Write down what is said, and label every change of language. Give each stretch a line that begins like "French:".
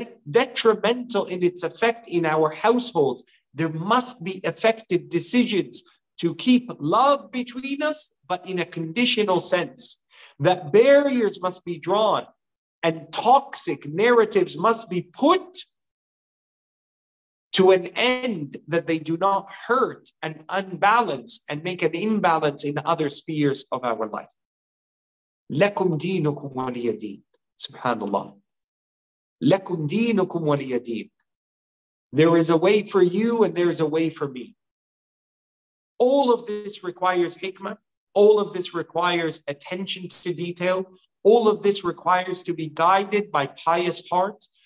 English: detrimental in its effect in our households, there must be effective decisions to keep love between us, but in a conditional sense, that barriers must be drawn and toxic narratives must be put to an end, that they do not hurt and unbalance and make an imbalance in other spheres of our life.
Arabic: لَكُمْ دِينُكُمْ وَلِيَ دِينُ Subhanallah. لَكُمْ دِينُكُمْ وَلِيَ دِينُ
English: There is a way for you and there is a way for me. All of this requires hikmah. All of this requires attention to detail. All of this requires to be guided by pious heart.